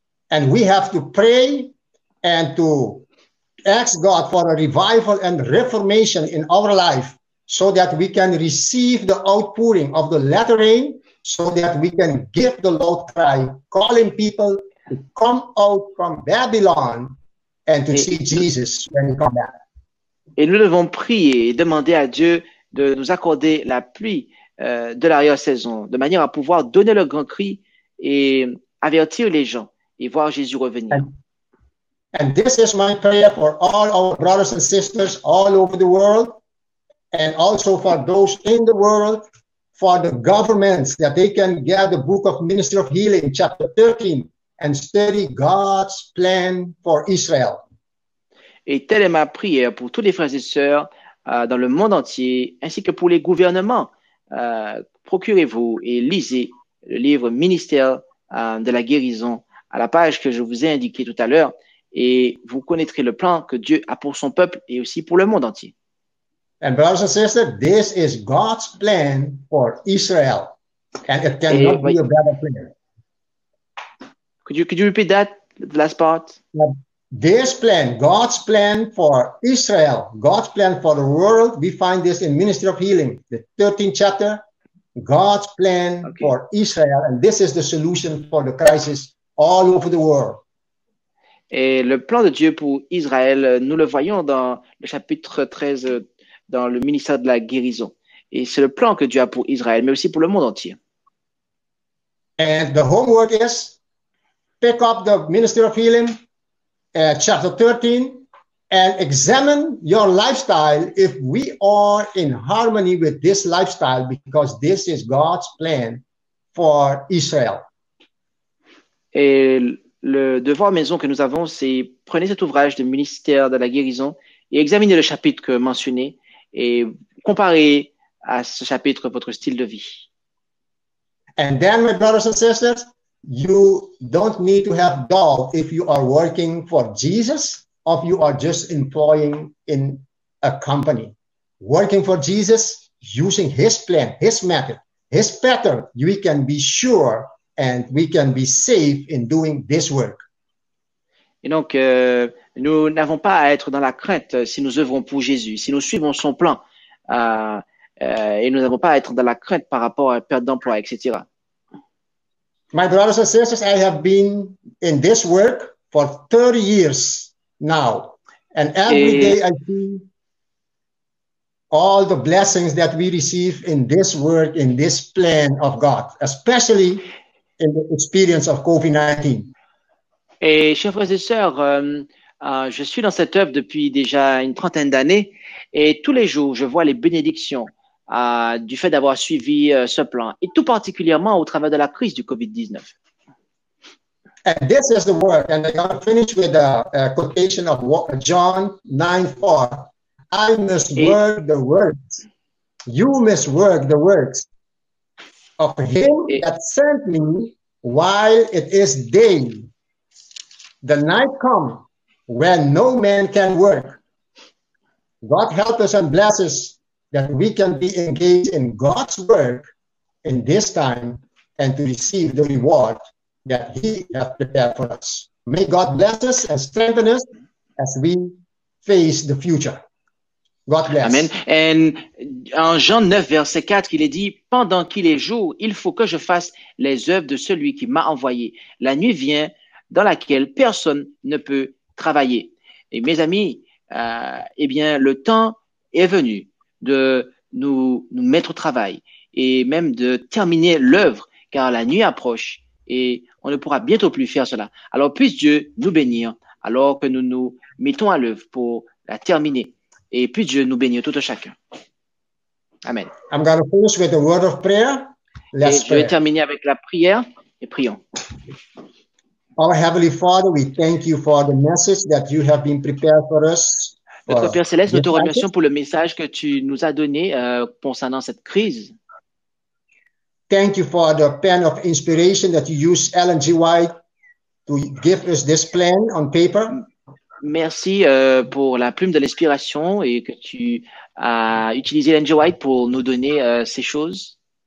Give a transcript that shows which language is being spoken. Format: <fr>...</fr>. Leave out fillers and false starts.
<en>And we have to pray and to ask God for a revival and reformation in our life so that we can receive the outpouring of the latter rain, so that we can give the Lord cry, calling people to come out from Babylon and to see Jesus when he comes back.</en> <fr>Et nous devons prier et demander à Dieu de nous accorder la pluie de l'arrière-saison, de manière à pouvoir donner le grand cri et avertir les gens et voir Jésus revenir.</fr> <en>And this is my prayer for all our brothers and sisters all over the world, and also for those in the world, for the governments, that they can get the book of Ministry of Healing, chapter 13, and study God's plan for Israel.</en> <fr>Et telle est ma prière pour tous les frères et sœurs dans le monde entier, ainsi que pour les gouvernements. Procurez-vous et lisez le livre Ministère de la guérison à la page que je vous ai indiquée tout à l'heure, et vous connaîtrez le plan que Dieu a pour son peuple et aussi pour le monde entier.</fr> <en>And brothers and sisters, this is God's plan for Israel, and it cannot be a better plan. Could you repeat that, the last part? This plan, God's plan for Israel, God's plan for the world, we find this in Ministry of Healing, the 13th chapter, God's plan for Israel, and this is the solution for the crisis all over the world.</en> <fr>Et le plan de Dieu pour Israël, nous le voyons dans le chapitre 13, dans le ministère de la guérison. Et c'est le plan que Dieu a pour Israël, mais aussi pour le monde entier.</fr> <en>And the homework is, pick up the Ministry of Healing, chapter 13, and examine your lifestyle if we are in harmony with this lifestyle, because this is God's plan for Israel.</en> <fr>Et le devoir maison que nous avons, c'est prenez cet ouvrage de ministère de la guérison et examinez le chapitre que mentionné et comparez à ce chapitre votre style de vie.</fr> <en>And then, my brothers and sisters, you don't need to have doubt if you are working for Jesus or if you are just employing in a company. Working for Jesus, using his plan, his method, his pattern, we can be sure and we can be safe in doing this work.</en> <fr>Et donc, nous n'avons pas à être dans la crainte si nous œuvrons pour Jésus, si nous suivons son plan. Et nous n'avons pas à être dans la crainte par rapport à la perte d'emploi, etc.</fr> <en>My brothers and sisters, I have been in this work for 30 years now. And every day I see all the blessings that we receive in this work, in this plan of God, especially in the experience of COVID-19.</en> <fr>Et chers frères et sœurs, je suis dans cette œuvre depuis déjà une trentaine d'années et tous les jours, je vois les bénédictions du fait d'avoir suivi ce plan et tout particulièrement au travers de la crise du COVID-19.</fr> <en>And this is the word, and I'm going to finish with a quotation of John 9:4. I must work the works. You must work the works of him that sent me while it is day. The night comes when no man can work. God help us and bless us that we can be engaged in God's work in this time and to receive the reward that he has prepared for us. May God bless us and strengthen us as we face the future. God bless. Amen.</en> <fr>Et en Jean 9, verset 4, il est dit, « Pendant qu'il est jour, il faut que je fasse les œuvres de celui qui m'a envoyé. La nuit vient dans laquelle personne ne peut travailler. » Et mes amis, eh bien, le temps est venu de nous mettre au travail et même de terminer l'œuvre, car la nuit approche et on ne pourra bientôt plus faire cela. Alors, puisse Dieu nous bénir alors que nous nous mettons à l'œuvre pour la terminer. Et puisse Dieu nous bénir tout à chacun. Amen.</fr> <en>I'm going to finish with a word of prayer. Let's pray.</en> <fr>Je vais terminer avec la prière et prions.</fr> <en>Our Heavenly Father, we thank you for the message that you have been prepared for us.</en> <fr>Notre Père Céleste, nous te remercions pour le message que tu nous as donné concernant cette crise.</fr> <en>Thank you for the pen of inspiration that you use Ellen G. White to give us this plan on paper.</en> <fr>Merci pour la plume de l'inspiration et que tu as utilisé Ellen G. White pour nous donner ces choses.</fr>